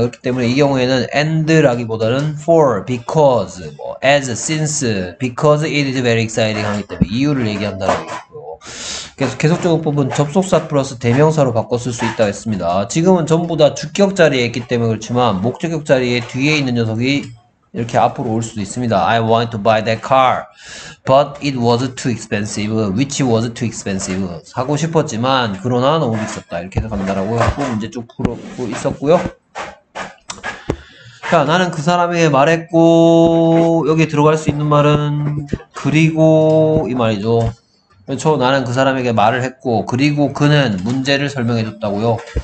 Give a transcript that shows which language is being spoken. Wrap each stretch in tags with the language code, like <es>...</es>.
<ko>그렇기 때문에 이 경우에는 and라기보다는 for, because, 뭐, as, since,</ko> <en>because it is very exciting</en> <ko>하기 때문에 이유를 얘기한다라고 했고요. 계속적 용법은 접속사 플러스 대명사로 바꿔 쓸수 있다고 했습니다. 지금은 전부 다 주격 자리에 있기 때문에 그렇지만 목적격 자리에 뒤에 있는 녀석이 이렇게 앞으로 올 수도 있습니다.</ko> <en>I want to buy that car, but it was too expensive. Which was too expensive.</en> <ko>사고 싶었지만 그러나 너무 비쌌다. 이렇게 해서 간다라고 했고, 문제 쭉 풀고 있었고요. 자, 나는 그 사람에게 말했고, 여기 들어갈 수 있는 말은 그리고 이 말이죠. 그렇죠. 나는 그 사람에게 말을 했고, 그리고 그는 문제를 설명해 줬다고요.</ko>